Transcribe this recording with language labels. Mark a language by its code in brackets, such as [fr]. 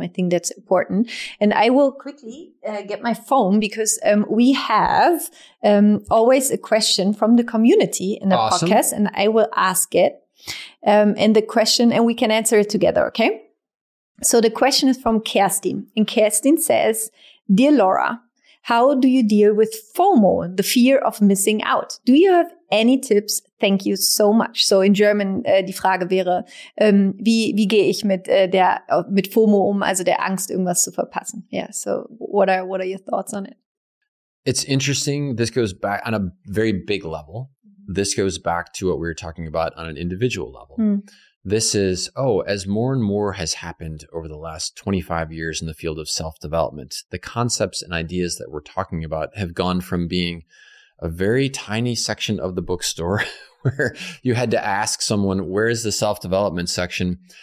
[en] I think that's important. And I will quickly get my phone because we have always a question from the community in the podcast, and I will ask it and the question, and we can answer it together. Okay. So the question is from Kerstin, and Kerstin says, "Dear Laura, how do you deal with FOMO, the fear of missing out? Do you have any tips? Thank you so much." So in German, [de] die Frage wäre, wie gehe ich mit FOMO um, also der Angst, irgendwas zu verpassen? [en] Yeah, so what are your thoughts on it? It's interesting. This goes back on a very big level. This goes back to what we were talking about on an individual level. Mm. This is, as more and more has happened over the last 25 years in the field of self-development, the concepts and ideas that we're talking about have gone from being a very tiny section of the bookstore where you had to ask someone, where is the self-development section?